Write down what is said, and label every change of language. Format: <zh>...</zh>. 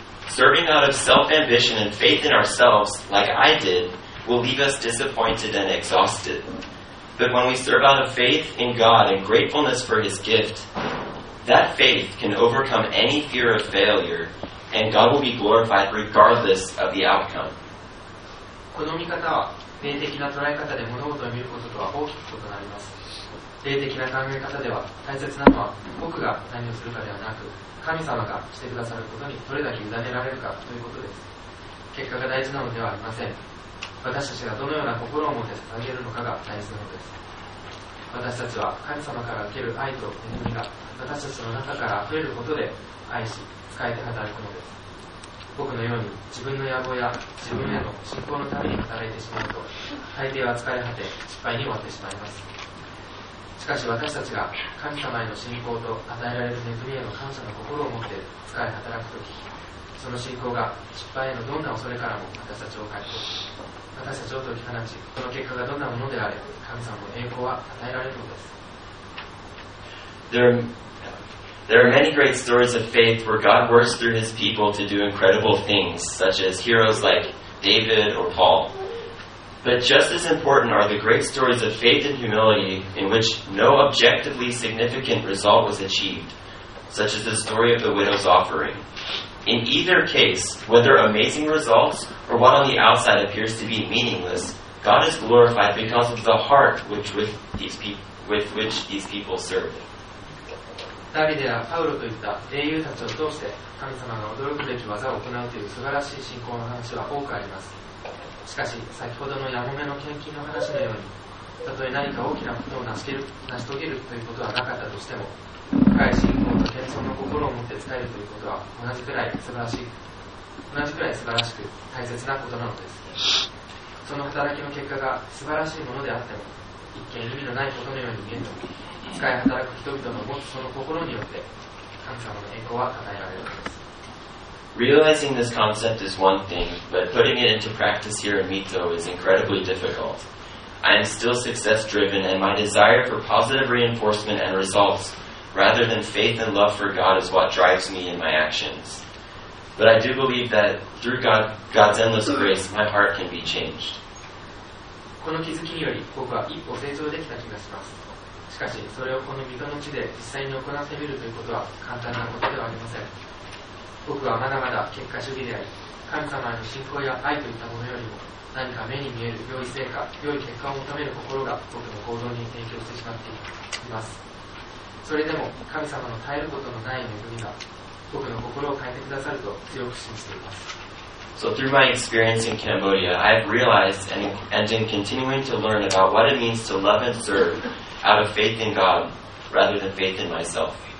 <en>Serving out of self-ambition and faith in ourselves, like I did,will leave us disappointed and exhausted. But when we serve out of faith in God and gratefulness for His gift, that faith can overcome any fear of failure, and God will be glorified regardless of the outcome.</en> <ja>この見方は、霊的な捉え方で物事を見ることとは大きく異なります。霊的な考え方では、大切なのは僕が何をするかではなく、神様がしてくださることにどれだけ委ねられるかということです。結果が大事なのではありません。私たちがどのような心を持って捧げるのかが大事なのです。私たちは神様から受ける愛と恵みが私たちの中から溢れることで愛し使えて働くのです。僕のように自分の野望や自分への信仰のために働いてしまうと大抵は疲れ果て失敗に終わってしまいます。しかし私たちが神様への信仰と与えられる恵みへの感謝の心を持って使え働くとき、その信仰が失敗へのどんな恐れからも私たちを解放し、私たちを解き放ち、この結果がどんなものであれ、神様の栄光は与えられるのです。</ja> <en>There are many great stories of faith where God works through His people to do incredible things, such as heroes like David or Paul. But just as important are the great stories of faith and humility in which no objectively significant result was achieved, such as the story of the widow's offering. In either case, whether amazing results or what on the outside appears to be meaningless, God is glorified because of the heart with which these people serve.</en> <ja>ダビデやパウロといった英雄たちを通して神様が驚くべき技を行うという素晴らしい信仰の話は多くあります。しかし、先ほどのヤモメの献金の話のように、たとえ何か大きなことを成し遂げるということはなかったとしても、深い信仰と謙遜の心を持って伝えるということは同じくらい素晴らしく大切なことなのです。その働きの結果が素晴らしいものであっても、一見意味のないことのように見えても、使い働く人々の持つその心によって神様の栄光は与えられるのです。</ja> <en>Realizing this concept is one thing, but putting it into practice here in Mito is incredibly difficult. I am still success driven, and my desire for positive reinforcement and resultsRather than faith and love for God is what drives me in my actions. But I do believe that through God's endless grace, my heart can be changed.</en> <ja>この気づきにより、僕は一歩成長できた気がします。しかし、それをこの御手の地で実際に行ってみるということは簡単なことではありません。僕はまだまだ結果主義であり、神様への信仰や愛といったものよりも何か目に見える良い成果、良い結果を求める心が僕の行動に影響してしまっています。それでも神様の耐えることのない恵みが僕の心を変えてくださると強く信じています。</ja> <en>So through my experience in Cambodia, I have realized and in continuing to learn about what it means to love and serve out of faith in God rather than faith in myself.</en>